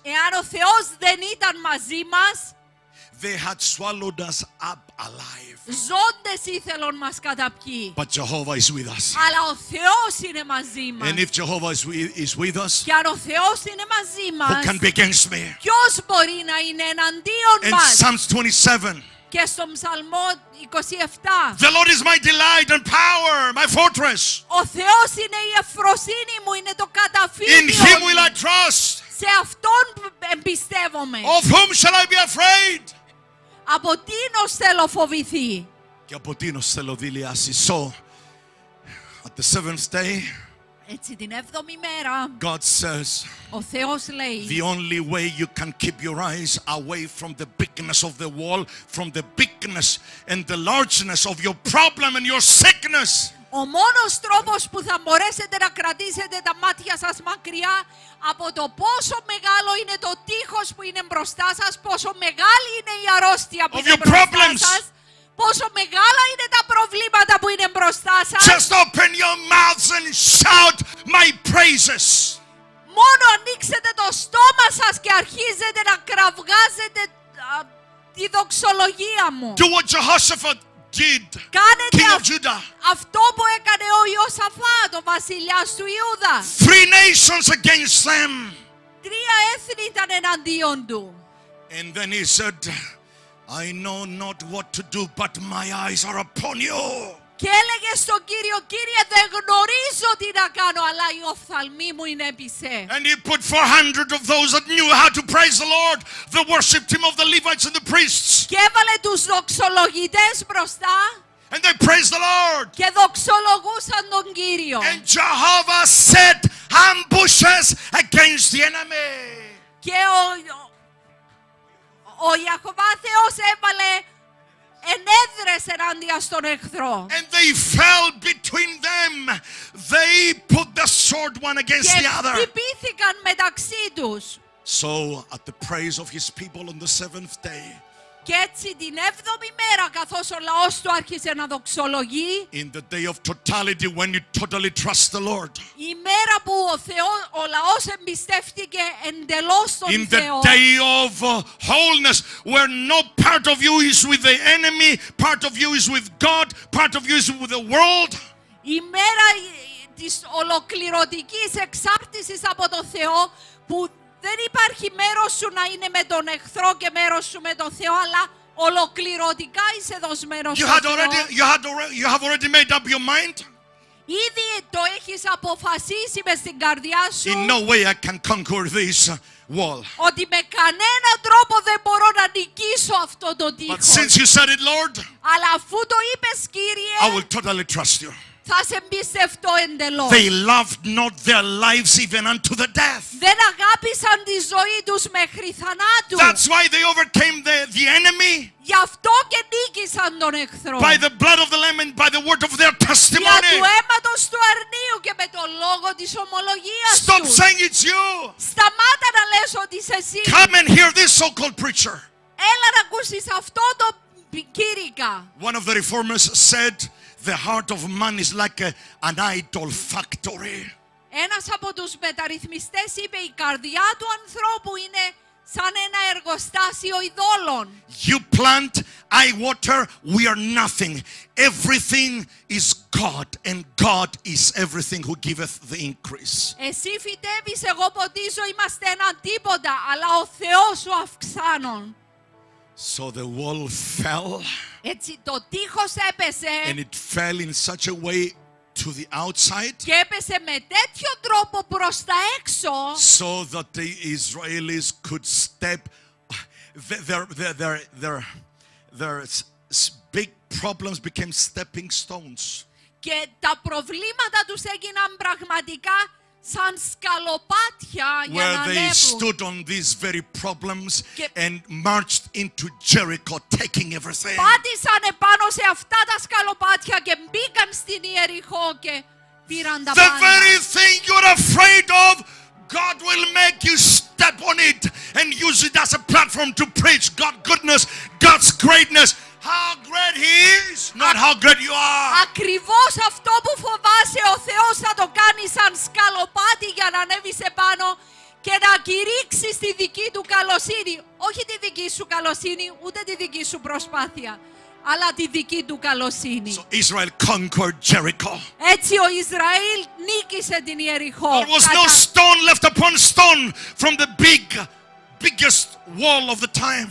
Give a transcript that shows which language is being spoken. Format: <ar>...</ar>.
<el>εάν ο Θεός δεν ήταν μαζί μας,</el> <en>they had swallowed us up alive.</en> <el>Ζώντες ήθελαν μας καταπιεί.</el> <en>But Jehovah is with us.</en> <el>Αλλά ο Θεός είναι μαζί μας.</el> <en>And if Jehovah is with us,</en> <el>και αν ο Θεός είναι μαζί μας,</el> <en>who can be against me?</en> <el>Ποιος μπορεί να είναι εναντίον</el> <en>and</en> <el>μας?</el> <en>And Psalms 27.</en> <el>Και στον Ψαλμό 27.</el> <en>The Lord is my delight and power, my fortress.</en> <el>Ο Θεός είναι η ευφροσύνη μου, είναι το καταφύγιο.</el> <en>In him will I trust.</en> <el>Σε αυτόν εμπιστεύομαι.</el> <en>Of whom shall I be afraid?</en> <el>Από τίνος θέλω φοβηθεί. Και από τίνος θέλω δηλιάσει.</el> <en>So, at the seventh day,</en> <el>έτσι την έβδομη μέρα,</el> <en>God says,</en> <el>ο Θεός λέει,</el> <en>the only way you can keep your eyes away from the bigness of the wall, from the bigness and the largeness of your problem and your sickness.</en> <el>Ο μόνος τρόπος που θα μπορέσετε να κρατήσετε τα μάτια σας μακριά από το πόσο μεγάλο είναι το τείχος που είναι μπροστά σας, πόσο μεγάλη είναι η αρρώστια που είναι μπροστά σας, πόσο μεγάλα είναι τα προβλήματα που είναι μπροστά σας.</el> <en>Just open your mouths and shout my praises.</en> <el>Μόνο ανοίξετε το στόμα σας και αρχίζετε να κραυγάζετε τη δοξολογία μου.</el> <en>Do what Jehoshaphat did,</en> <el>κάνετε</el> <en>king of Judah.</en> <el>Αυτό που έκανε ο Ιωσαφάτ, ο βασιλιάς του Ιούδα.</el> <en>Three nations against them.</en> <el>Τρία έθνη ήταν εναντίον του.</el> <en>And then he said, I know not what to do, but my eyes are upon you.</en> <el>Και έλεγε στον Κύριο, Κύριε, δεν γνωρίζω τι να κάνω, αλλά η οφθαλμή μου είναι επισέ.</el> <en>And he put 400 of those that knew how to praise the Lord, the worship team of the Levites and the priests.</en> <el>Και έβαλε τους δοξολογητές μπροστά.</el> <en>And they praised the Lord.</en> <el>Και δοξολογούσαν τον Κύριο.</el> <en>And Jehovah set ambushes against the enemy.</en> <el>Και ο Ιαχωβά Θεός έβαλε ενέδρες ενάντια στον εχθρό.</el> <en>And they fell between them. They put the sword one against the other.</en> <el>Και χτυπήθηκαν μεταξύ τους.</el> <en>So at the praise of his people on the seventh day.</en> <el>Και έτσι την έβδομη μέρα, καθώς ο λαός του άρχισε να δοξολογεί.</el> <en>In the day of totality, when you totally trust the Lord.</en> <el>Η μέρα που ο λαός εμπιστεύτηκε εντελώς τον Θεό.</el> <en>In the day of wholeness, where no part of you is with the enemy, part of you is with God, part of you is with the world.</en> <el>Η μέρα της ολοκληρωτικής εξάρτησης από τον Θεό, που δεν υπάρχει μέρος σου να είναι με τον εχθρό και μέρος σου με τον Θεό, αλλά ολοκληρωτικά είσαι δοσμένος στον Θεό.</el> <en>You have already made up your mind.</en> <el>Ήδη το έχεις αποφασίσει μες στην καρδιά σου.</el> <en>In no way I can conquer this wall.</en> <el>Ότι με κανένα τρόπο δεν μπορώ να νικήσω αυτό το τείχο.</el> <en>But since you said it, Lord,</en> <el>αλλά αφού το είπες, Κύριε,</el> <en>I will totally trust you.</en> <el>Θα σε εμπιστευτώ εντελώς.</el> <en>They loved not their lives even unto the death.</en> <el>Δεν αγάπησαν τη ζωή τους μέχρι θανάτου.</el> <en>That's why they overcame the enemy.</en> <el>Γι' αυτό και νίκησαν τον εχθρό.</el> <en>By the blood of the lamb and by the word of their testimony.</en> <el>Για του αίματος του αρνίου και με το λόγο της ομολογίας τους.</el> <en>Stop saying it's you.</en> <el>Σταμάτα να λες ότι είσαι εσύ.</el> <en>Come and hear this so-called preacher.</en> <el>Έλα να ακούσεις αυτό το κήρυγμα.</el> <en>One of the reformers said, the heart of man is like an idol factory.</en> <el>Ένας από τους μεταρρυθμιστές είπε, η καρδιά του ανθρώπου είναι σαν ένα εργοστάσιο ειδόλων.</el> <en>You plant, I water, we are nothing. Everything is God, and God is everything who giveth the increase.</en> <el>Εσύ φυτεύεις, εγώ ποτίζω, είμαστε έναν τίποτα, αλλά ο Θεός ο αυξάνων.</el> <en>So the wall fell.</en> <el>Έτσι το τείχος έπεσε.</el> <en>And it fell in such a way to the outside.</en> <el>Και έπεσε με τέτοιο τρόπο προς τα έξω.</el> <en>So that the Israelis could step. Their big problems became stepping stones.</en> <el>Και τα προβλήματα τους έγιναν πραγματικά σαν σκαλοπάτια</el> <en>where</en> <el>για να</el> <en>they</en> <el>ανέβουν.</el> <en>Stood on these very problems and marched into Jericho, taking everything.</en> <el>Πάτησαν επάνω σε αυτά τα σκαλοπάτια και μπήκαν στην Ιεριχώ και πήραν τα πάντα.</el> <en>The very thing you're afraid of, God will make you step on it and use it as a platform to preach God's goodness, God's greatness. How great he is, not how great you are.</en> <el>Ακριβώς αυτό που φοβάσαι, ο Θεός θα το κάνει σαν σκαλοπάτι για να ανέβεις επάνω και να κηρύξεις τη δική του καλοσύνη. Όχι τη δική σου καλοσύνη, ούτε τη δική σου προσπάθεια, αλλά τη δική του καλοσύνη.</el> <en>So Israel conquered Jericho.</en> <el>Έτσι ο Ισραήλ νίκησε την Ιεριχώ.</el> <en>There was no stone left upon stone from the biggest wall of the time.</en>